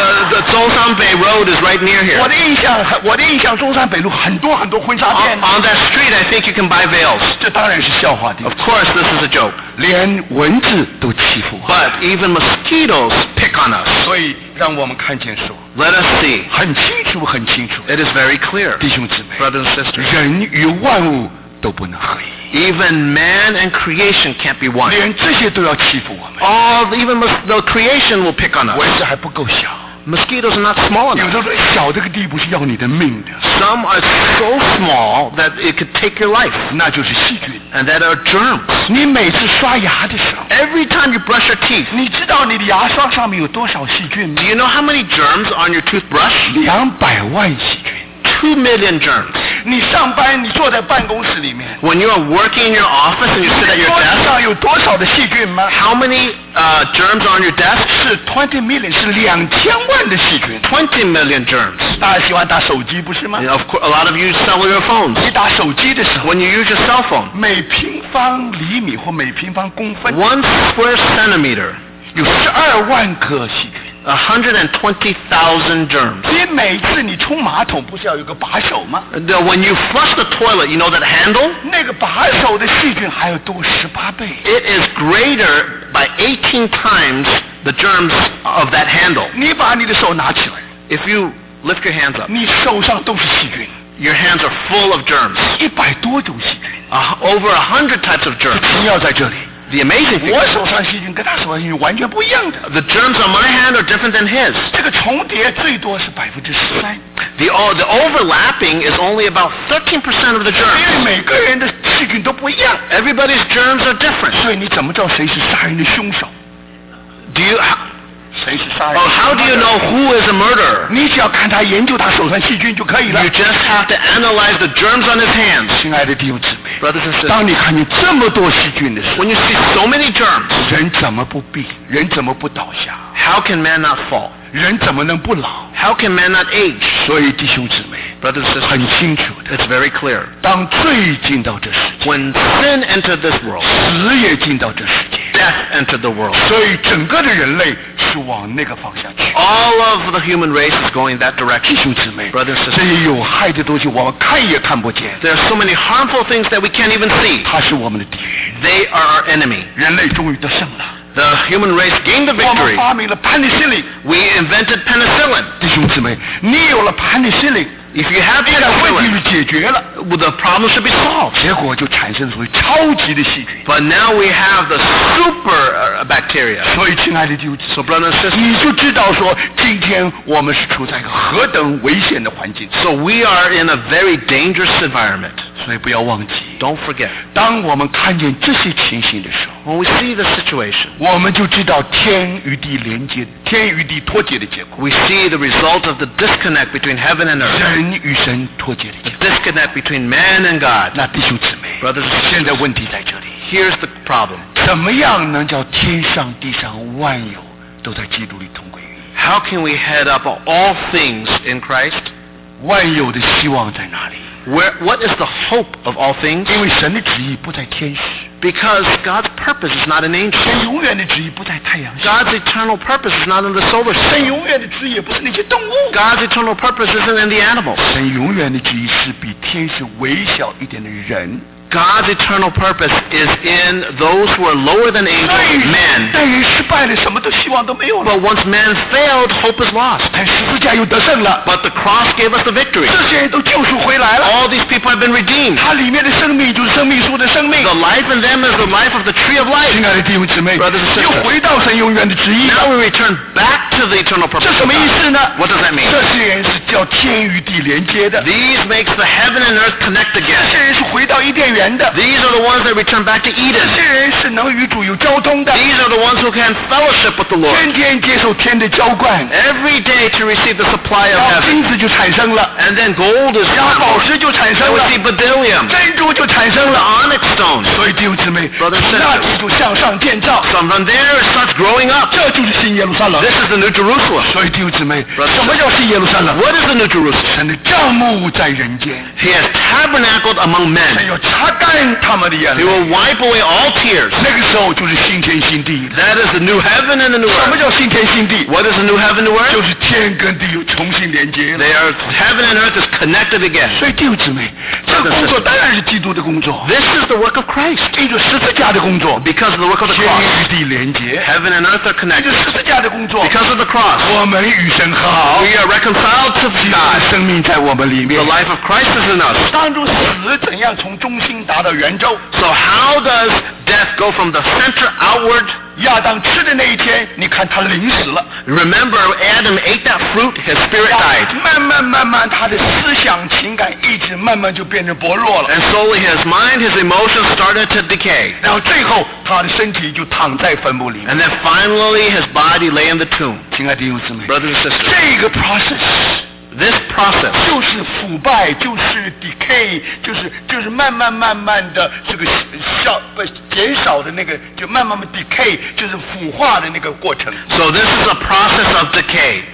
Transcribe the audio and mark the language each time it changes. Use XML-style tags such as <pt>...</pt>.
<en>The 中山北 road is right near here.</en> <zh>我的印象中山北路很多很多婚纱店。</zh> <en>On that street, I think you can buy veils.</en> <zh>这当然是笑话的。</zh> <en>Of course, this is a joke.</en> <zh>连蚊子都欺负我。</zh> <en>But even mosquitoes pick on us.</en> <zh>所以让我们看见说。</zh> <en>Let us see.</en> <zh>很清楚，很清楚。</zh> <en>It is very clear.</en> <zh>弟兄姊妹。</zh> <en>Brothers and sisters.</en> <zh>人与万物都不能合一。</zh> <en>Even man and creation can't be one.</en> <zh>连这些都要欺负我们。</zh> <en>Even the creation will pick on us.</en> <zh>蚊子还不够小。</zh> <en>Mosquitoes are not small enough.</en> <zh>有的小这个地步是要你的命的。</zh> <en>Some are so small that it could take your life.</en> <zh>那就是细菌。</zh> <en>And that are germs.</en> <zh>你每次刷牙的时候。</zh> <en>Every time you brush your teeth.</en> <zh>你知道你的牙刷上面有多少细菌吗？</zh> <en>Do you know how many germs on your toothbrush?</en> <zh>200万细菌。</zh> <en>2 million germs.</en> <zh>你上班，你坐在办公室里面。</zh> <en>When you are working in your office and you sit at your desk.</en> <zh>你桌上有多少的细菌吗？</zh> <en>How many germs on your desk?</en> <zh>是</zh> <en>20 million,</en> <zh>是2000万的细菌。</zh> <en>20 million germs.</en> <zh>大家喜欢打手机不是吗？</zh> <en>Of course, a lot of you sell your phones.</en> <zh>你打手机的时候。</zh> <en>When you use your cell phone.</en> <zh>每平方厘米或每平方公分。</zh> <en>One square centimeter.</en> <zh>有12万颗细菌。</zh> <en>120,000 germs.</en> <zh>你每次你冲马桶不是要有个把手吗？</zh> <en>When you flush the toilet, you know that handle?</en> <zh>那个把手的细菌还要多18倍。</zh> <en>It is greater by 18 times the germs of that handle.</en> <zh>你把你的手拿起来。</zh> <en>If you lift your hands up.</en> <zh>你手上都是细菌。</zh> <en>Your hands are full of germs.</en> <zh>100多种细菌。</zh> <en>Over 100 types of germs.</en> <zh>这奇妙在这里。</zh> <en>The amazing thing.</en> <zh>我手上细菌跟他手上细菌完全不一样的。</zh> <en>The germs on my hand are different than his.</en> <zh>这个重叠最多是13%。</zh> <en>The overlapping is only about 13% of the germs.</en> <zh>因为每个人的细菌都不一样。</zh> <en>Everybody's germs are different.</en> <zh>所以你怎么知道谁是杀人的凶手？</zh> <en>Do you How do you know who is a murderer?</en> <zh>你只要看他研究他手上细菌就可以了。</zh> <en>You just have to analyze the germs on his hands.</en> <zh>亲爱的弟兄姊妹</zh> <en>brothers and sisters,</en> <zh>当你看见这么多细菌的时候</zh> <en>when you see so many germs,</en> <zh>人怎么不病？人怎么不倒下？</zh> <en>How can man not fall?</en> <zh>人怎么能不老？</zh> <en>How can man not age?</en> <zh>所以弟兄姊妹</zh> <en>brothers and sisters,</en> <zh>很清楚的</zh> <en>it's very clear.</en> <zh>当罪进到这世界</zh> <en>when sin entered this world,</en> <zh>死也进到这世界</zh> <en>death entered the world.</en> <zh>所以整个的人类是往那个方向去。</zh> <en>All of the human race is going that direction.</en> <zh>弟兄姊妹</zh> <en>brothers and sisters,</en> <zh>这些有害的东西我们看也看不见。</zh> <en>There are so many harmful things that we can't even see.</en> <zh>它是我们的敌人。</zh> <en>They are our enemy.</en> <zh>人类终于得胜了。</zh> <en>The human race gained the victory.</en> <zh>我们发明了 penicillin.</zh> <en>We invented penicillin.</en> <zh>弟兄姊妹，你有了 penicillin。</zh> <en>If you have penicillin,</en> <zh>问题就解决了。</zh> <en>The problem should be solved.</en> <zh>结果就产生了超级的细菌。</zh> <en>But now we have the super bacteria.</en> <zh>所以，亲爱的弟兄姊妹</zh> <en>，So brothers and sisters,</en> <zh>你就知道说，今天我们是处在一个何等危险的环境。</zh> <en>So we are in a very dangerous environment.</en> <zh>所以不要忘记。</zh> <en>Don't forget.</en> <zh>当我们看见这些情形的时候</zh> <en>，When we see the situation,</en> <zh>我们就知道天与地连接，天与地脱节的结果。</zh> <en>We see the result of the disconnect between heaven and earth.</en> <zh>人与神脱节的结果。</zh> <en>Disconnect between man and God.</en> <zh>那弟兄姊妹</zh> <en>，Brothers and sisters,</en> <zh>现在问题在这里。</zh> <en>Here's the problem.</en> <zh>怎么样能叫天上地上万有都在基督里同归于一</zh> <en>？How can we head up all things in Christ?</en> <zh>万有的希望在哪里？</zh> <en>What is the hope of all things?</en> <zh>因为神的旨意不在天使。</zh> <en>Because God's purpose is not in angels.</en> <zh>神永远的旨意不在太阳。</zh> <en>God's eternal purpose is not in the solar system.</en> <zh>神永远的旨意也不是那些动物。</zh> <en>God's eternal purpose isn't in the animals.</en> <zh>神永远的旨意是比天使微小一点的人。</zh> <en>God's eternal purpose is in those who are lower than angels, men.</en> <zh>但人失败了，什么都希望都没有了。</zh> <en>But once man failed, hope is lost.</en> <zh>但十字架又得胜了。</zh> <en>But the cross gave us the victory.</en> <zh>这些人都救赎回来了。</zh> <en>All these people have been redeemed.</en> <zh>它里面的生命就是生命树的生命。</zh> <en>The life in them is the life of the tree of life.</en> <zh>亲爱的弟兄姊妹</zh> <en>，brothers and sisters,</en> <zh>又回到神永远的旨意。</zh> <en>Now we return back to the eternal purpose.</en> <zh>这什么意思呢</zh> <en>？What does that mean?</en> <zh>这些人是叫天与地连接的。</zh> <en>These makes the heaven and earth connect again.</en> <zh>这些人是回到伊甸园。</zh> <en>These are the ones that return back to Eden.</en> <zh>这些人是能与主有交通的。</zh> <en>These are the ones who can fellowship with the Lord.</en> <zh>天天接受天的浇灌。</zh> <en>Every day to receive the supply of heaven.</en> <zh>金子就产生了。</zh> <en>And then gold is.</en> <zh>然后宝石就产生了。</zh> <en>We see bdellium.</en> <zh>珍珠就产生了。</zh> <en>Onyx stone.</en> <zh>所以弟兄姊妹，</zh> <en>Brother and sister,</en> <zh>从那起就向上建造。</zh> <en>So from there it starts growing up.</en> <zh>这就是新耶路撒冷。</zh> <en>This is the new Jerusalem.</en> <zh>所以弟兄姊妹，</zh> <en>Brother,</en> <zh>什么叫新耶路撒冷？</zh> <en>What is the new Jerusalem?</en> <zh>神的帐幕在人间。</zh> <en>He has tabernacled among men.</en> <zh>神要擦干他们的眼泪。</zh> <en>He will wipe away all tears.</en> <zh>那个时候就是新天新地。</zh> <en>That is the new heaven and the new earth.</en> <zh>什么叫新天新地？</zh> <en>What is the new heaven and new earth?</en> <zh>就是天跟地又重新连接了。</zh> <en>They are heaven and earth is connected again.</en> <zh>所以弟兄姊妹，这个工作当然是基督的工作。</zh> <en>This is the work of Christ.</en> <zh>因着十字架的工作。</zh> <en>Because of the work of the cross.</en> <zh>天与地连接。</zh> <en>Heaven and earth are connected.</en> <zh>因着十字架的工作。</zh> <en>Because of the cross.</en> <zh>我们与神和好。</zh> <en>We are reconciled to God.</en> <zh>生命在我们里面。</zh> <en>The life of Christ is in us.</en> <zh>当中死怎样从中心达到圆周</zh> <en>So how does death go from the center outward?</en> <zh>亚当吃的那一天，你看他临死了。</zh> <en>Remember, Adam ate that fruit, his spirit died.</en> <zh>慢慢慢慢，他的思想情感意志慢慢就变得薄弱了。</zh> <en>And slowly his mind, his emotions started to decay.</en> <zh>然后最后，他的身体就躺在坟墓里面。</zh> <en>And then finally his body lay in the tomb.</en> <zh>亲爱的弟兄姊妹</zh> <en>，brothers and sisters，</en> <zh>这个 process。</zh> <en>This process</en> <zh>就是腐败，就是 decay， 就是慢慢慢慢的这个消不减少的那个，就慢慢的 decay， 就是腐化的那个过程。</zh> <en>So this is a process of decay.</en>